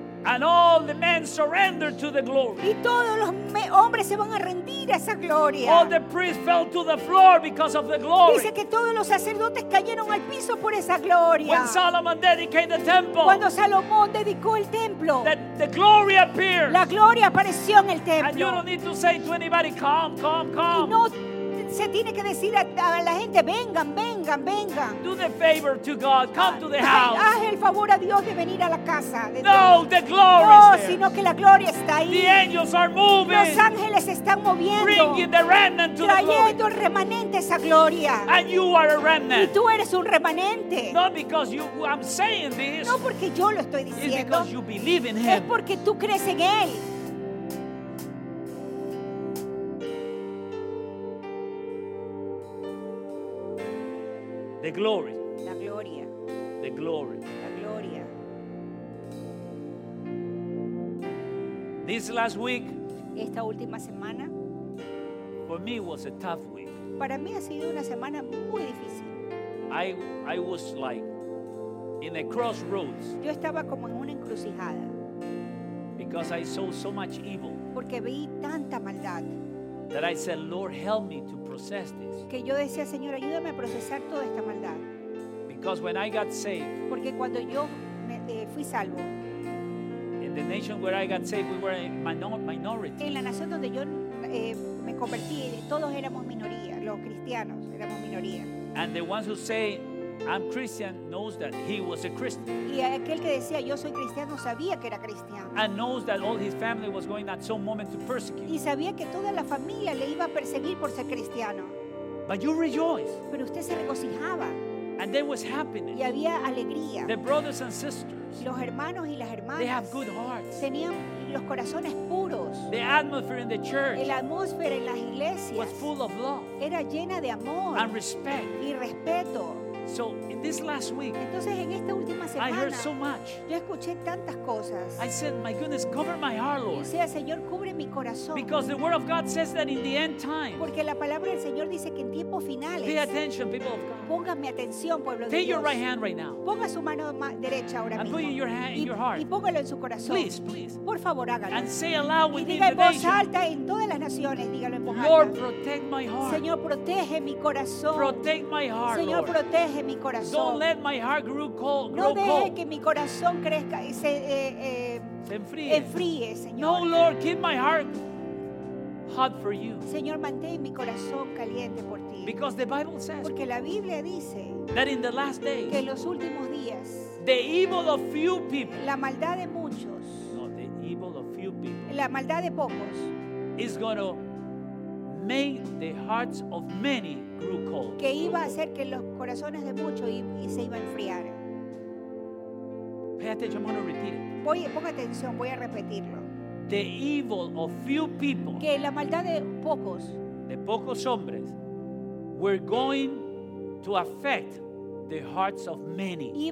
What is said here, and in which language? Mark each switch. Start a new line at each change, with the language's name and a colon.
English: And all the men surrender to the glory.
Spanish: Y todos los hombres se van a rendir a esa gloria.
English: All the priests fell to the floor because of the glory.
Spanish: Dice que todos los sacerdotes cayeron al piso por esa gloria.
English: When Solomon dedicated the temple.
Spanish: Cuando Salomón dedicó el templo.
English: The glory appeared.
Spanish: La gloria apareció en el templo.
English: And you don't need to say to anybody, come, come, come.
Spanish: Y no se tiene que decir a la gente vengan, vengan, vengan.
English: Do the favor to God, come to the house.
Spanish: Haz el favor a Dios de venir a la casa.
English: No, the glory.
Spanish: No, sino que la gloria está ahí.
English: The angels are moving.
Spanish: Los ángeles están moviendo.
English: Bringing the remnant to
Spanish: trayendo el remanente esa gloria.
English: And you are a remnant.
Spanish: Y tú eres un remanente.
English: Not because you, I'm saying this.
Spanish: No porque yo lo estoy diciendo.
English: It's because you believe in him.
Spanish: Es porque tú crees en él.
English: The glory.
Spanish: La gloria.
English: The glory.
Spanish: La gloria.
English: This last week.
Spanish: Esta última semana.
English: For me was a tough week.
Spanish: Para mí ha sido una semana muy difícil.
English: I was like in a crossroads.
Spanish: Yo estaba como en una encrucijada.
English: Because I saw so much evil.
Spanish: Porque vi tanta maldad.
English: That I said, Lord, help me to process this.
Spanish: Que yo decía, Señor, ayúdame a procesar toda esta maldad.
English: Because when I got saved,
Spanish: porque cuando yo me, fui salvo,
English: in the nation where I got saved, we were a minority.
Spanish: En la nación donde yo me convertí, todos éramos minoría, los cristianos éramos minoría.
English: And the ones who say, I'm Christian, knows that he was a Christian.
Spanish: Y aquel que decía, yo soy cristiano, sabía que era cristiano.
English: And knows that all his family was going at some moment to persecute.
Spanish: Y sabía que toda la familia le iba a perseguir por ser cristiano.
English: But you rejoice.
Spanish: Pero usted se regocijaba.
English: And there was happiness.
Spanish: Y había alegría.
English: The brothers and sisters.
Spanish: Los hermanos y las hermanas.
English: They have good hearts.
Spanish: Tenían los corazones puros.
English: The atmosphere in the church.
Spanish: La atmósfera en las iglesias.
English: Was full of love.
Spanish: Era llena de amor.
English: And respect.
Spanish: Y respeto.
English: So in this last week.
Spanish: Entonces en esta última semana.
English: I heard so much.
Spanish: Yo escuché tantas cosas.
English: I said, my goodness, cover my heart, Lord.
Spanish: Sea, Señor, cubre mi corazón.
English: Because the word of God says that in the end times.
Spanish: Porque la palabra del Señor dice que en tiempos finales.
English: Pay attention, people of God.
Spanish: Póngame atención, pueblo de
English: Take
Spanish: Dios.
English: Your right hand right now.
Spanish: Ponga su mano derecha ahora
English: and
Spanish: mismo.
English: And put your hand in your heart.
Spanish: Y póngalo en su corazón.
English: Please, please.
Spanish: Por favor, hágalo.
English: And say aloud with the nation.
Spanish: Y diga en voz alta en todas las naciones. Dígalo en voz alta.
English: Lord, protect my heart.
Spanish: Señor, protege mi corazón.
English: Protect my heart,
Spanish: Señor,
English: Lord.
Spanish: Protege mi corazón.
English: Don't let my heart grow cold.
Spanish: No deje que mi corazón crezca y se enfríe. Enfríe, Señor.
English: No, Lord, keep my heart hot for you.
Spanish: Señor, mantén mi corazón caliente por ti.
English: Because the Bible says,
Spanish: porque la Biblia dice,
English: that in the last days,
Spanish: que en los últimos días,
English: the evil of few people,
Spanish: la maldad de muchos,
English: no, the evil of few people,
Spanish: la maldad de pocos,
English: is going to make the hearts of many grow cold.
Spanish: Que iba a hacer que los corazones de muchos y se iban a enfriar.
English: Pay attention, I'm going to repeat it.
Spanish: Ponga atención, voy a repetirlo.
English: The evil of few people,
Spanish: que la maldad de pocos hombres,
English: were going to affect the hearts of many.